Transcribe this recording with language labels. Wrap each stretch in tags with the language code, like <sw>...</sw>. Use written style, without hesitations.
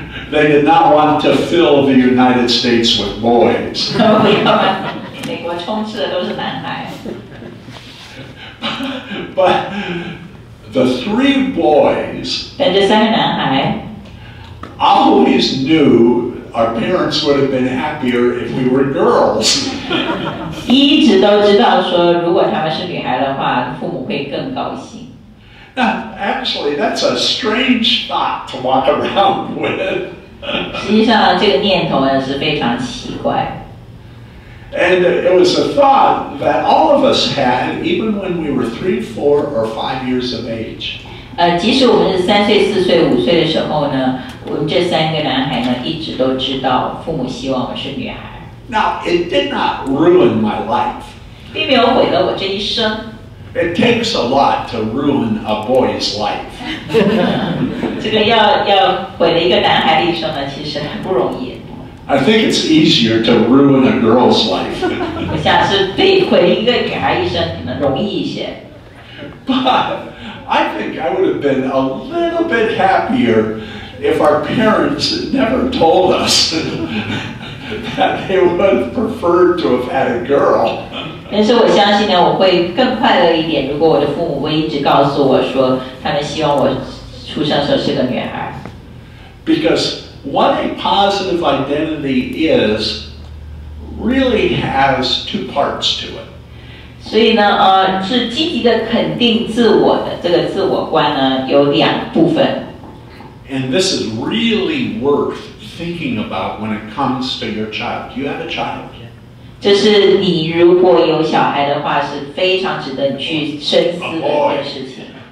<en>They did not want to fill the United States with boys.</en> <zh>不要吧，美国充斥的都是男孩。</zh> <en>But the three boys,</en> <zh>但这三个男孩</zh> <en>always knew our parents would have been happier if we were girls.</en> <zh>一直都知道说如果他们是女孩的话父母会更高兴。</zh> <en>Now, actually, that's a strange thought to walk around with.</en> <zh>实际上这个念头呢是非常奇怪。</zh> <en>And it was a thought that all of us had, even when we were 3, 4, or 5 years of age.</en> <zh>即使我们是三岁、四岁、五岁的时候呢，我们这三个男孩呢，一直都知道父母希望我们是女孩。</zh> <en>Now, it did not ruin my life.</en> <zh>并没有毁了我这一生。</zh> <en>It takes a lot to ruin a boy's life.</en> <zh>这个要毁了一个男孩的一生呢，其实很不容易。</zh> <en>I think it's easier to ruin a girl's life.</en> <zh>我想是对毁一个女孩一生可能容易一些。</zh> <en>But I think I would have been a little bit happier if our parents never told us that they would have preferred to have had a girl.</en> <zh>但是我相信呢，我会更快乐一点，如果我的父母会一直告诉我说，他们希望我出生时候是个女孩。</zh> <en>Because what a positive identity is really has two parts to it.</en> <zh>所以呢，是积极的肯定自我的这个自我观呢，有两部分。</zh> <en>And this is really worth thinking about when it comes to your child. Do you have a child?</en> <zh>就是你如果有小孩的话，是非常值得去深思的一件事情。</zh>